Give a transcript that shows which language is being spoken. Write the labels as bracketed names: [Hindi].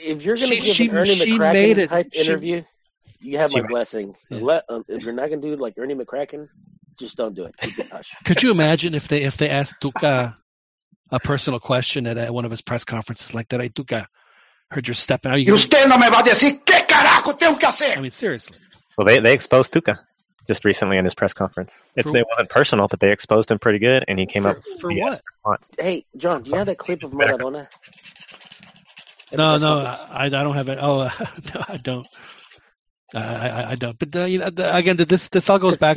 [English] If you're going to give Ernie McCracken type interview, you have my blessing. Yeah. If you're not going to do like Ernie McCracken, just don't do it. Could you imagine if they asked Tuca a personal question at one of his press conferences like that? I took a heard you're stepping out. [Spanish] You usted no me va a decir qué carajo tengo que hacer. [English] I mean, seriously. Well, they exposed Tuca. just recently in his press conference. It's, it wasn't personal, but they exposed him pretty good, and he came for up. For what? Hey, John, do you have that clip of Maradona? No, I don't have it. Oh, no, I don't. I don't. But you know, again, this all goes back.